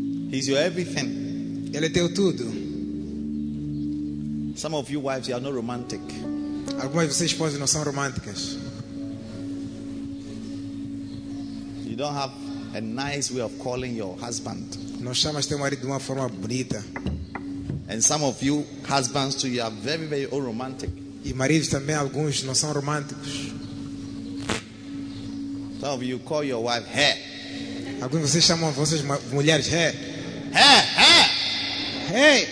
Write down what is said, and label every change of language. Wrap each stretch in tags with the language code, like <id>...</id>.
<en>He's your everything.</en> <pt>Ele é teu tudo.</pt> <en>Some of you wives, you are not romantic.</en> <pt>Algumas de vocês esposas não são românticas.</pt> <en>You don't have a nice way of calling your husband.</en> <pt>Não chamas teu marido de uma forma bonita.</pt> <en>And some of you husbands too, you are very, very unromantic.</en> <pt>E maridos também, alguns não são românticos.</pt> <en>Some of you call your wife hair.</en> <pt>Alguns vocês chamam vossas mulheres hair.</pt> <en>Hair, hair. Hey,</en>